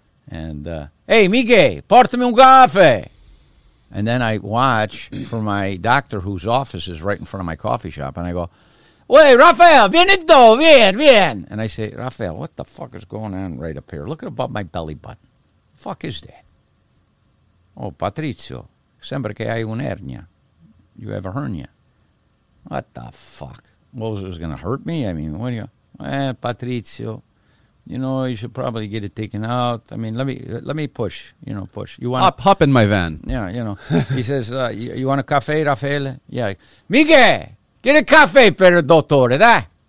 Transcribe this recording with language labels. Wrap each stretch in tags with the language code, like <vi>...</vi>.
<en>And hey, Miguel,</en> <it>portami un caffè.</it> <en>And then I watch for my doctor, whose office is right in front of my coffee shop, and I go, "Wait, Rafael,</en> <it>vienito, vien."</it> <en>And I say, "Rafael, what the fuck is going on right up here? Look above my belly button." fuck is that?</en> <it>Oh, Patrizio, sembra che hai un'ernia.</it> <en>You have a hernia. What the fuck? Well, it was going to hurt me? I mean, what do you... Patrizio, you know, you should probably get it taken out. I mean, let me push, you know, push. You want hop in my van. Yeah, you know. He says, you want a cafe, Raffaele? Yeah. Miguel, get a cafe</en> <it>per il dottore, dai.</it>